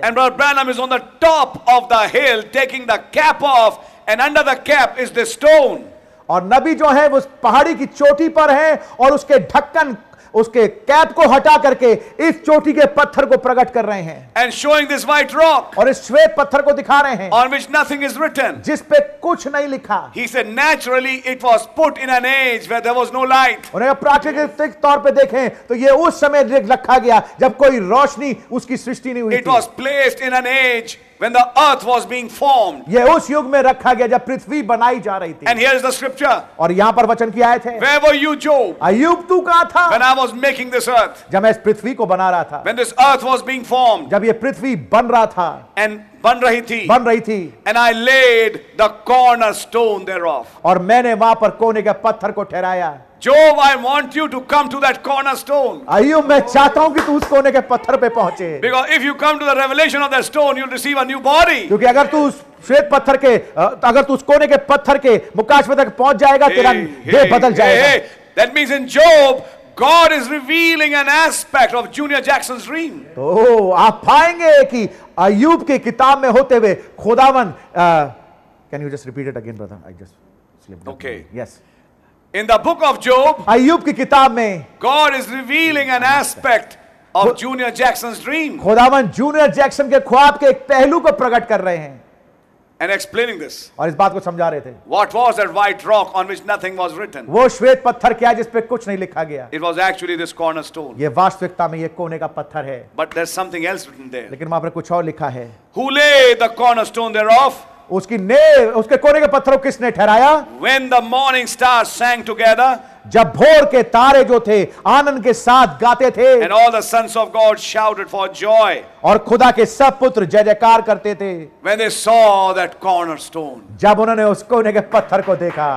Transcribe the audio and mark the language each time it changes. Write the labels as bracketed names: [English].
[English] And Brother Branham is on the top of the hill taking the cap off, and under the cap is the stone. [Hindi] और नबी जो है वो पहाड़ी की चोटी पर है और उसके ढक्कन उसके कैप को हटा करके इस चोटी के पत्थर को प्रकट कर रहे हैं. [English] And showing this white rock, [Hindi] और इस श्वेत पत्थर को दिखा रहे हैं. [English] On which nothing is written, [Hindi] जिस पे कुछ नहीं लिखा. [English] He said naturally it was put in an age where there was no light. [Hindi] और अगर प्राकृतिक तौर पे देखें तो ये उस समय रखा गया जब कोई रोशनी उसकी सृष्टि नहीं हुई. [English] It was placed in an age when the earth was being formed. [Hindi] ये उस युग में रखा गया जब पृथ्वी बनाई जा रही थी. [English] And here is the scripture. [Hindi] और यहाँ पर वचन की आयत है. [English] Where were you, Job? [Hindi] अय्यूब तू कहाँ था? [English] When I was making this earth. [Hindi] जब मैं इस पृथ्वी को बना रहा था. [English] When this earth was being formed. [Hindi] जब ये पृथ्वी बन रहा था. And बन रही थी. बन रही थी. [English] And I laid the cornerstone thereof. [Hindi] और मैंने वहाँ पर कोने के पत्थर को ठहराया. [English] Job, I want you to come to that cornerstone. [Hindi] आयु मैं चाहता हूँ कि तू उस कोने के पत्थर पे पहुँचे. [English] Because if you come to the revelation of that stone, you'll receive a new body. [Hindi] क्योंकि अगर तू उस श्वेत पत्थर के अगर तू उस कोने के पत्थर के मुकाशवे तक पहुँच जाएगा तेरा देह बदल जाएगा. [English] That means in Job, God is revealing an aspect of Junior Jackson's dream. [Hindi] तो आप पाएंगे कि आयुब के किताब में होते हुए खुदावन. [English] Can you just repeat it again, brother? I just slipped. Okay. Yes. In the book of Job, [Hindi] अय्यूब की किताब में, [English] God is revealing an aspect of Junior Jackson's dream. [Hindi] खुदावन जूनियर जैक्सन के ख्वाब के एक पहलू को प्रकट कर रहे हैं. [English] And explaining this, [Hindi] और इस बात को समझा रहे थे. [English] What was that white rock on which nothing was written? [Hindi] वो श्वेत पत्थर क्या जिस पे कुछ नहीं लिखा गया? [English] It was actually this cornerstone. [Hindi] ये वास्तविकता में ये कोने का पत्थर है. [English] But there's something else written there. [Hindi] लेकिन वहाँ पर कुछ और लिखा है. [English] Who laid the cornerstone thereof? [Hindi] उसकी नेव उसके कोने के पत्थरों किसने ठहराया? [English] When the morning stars sang together, [Hindi] जब भोर के तारे जो थे आनंद के साथ गाते थे, [English] and all the sons of God shouted for joy, [Hindi] और खुदा के सब पुत्र जय जयकार करते थे, [English] when they saw that cornerstone, [Hindi] जब उन्होंने उस कोने के पत्थर को देखा,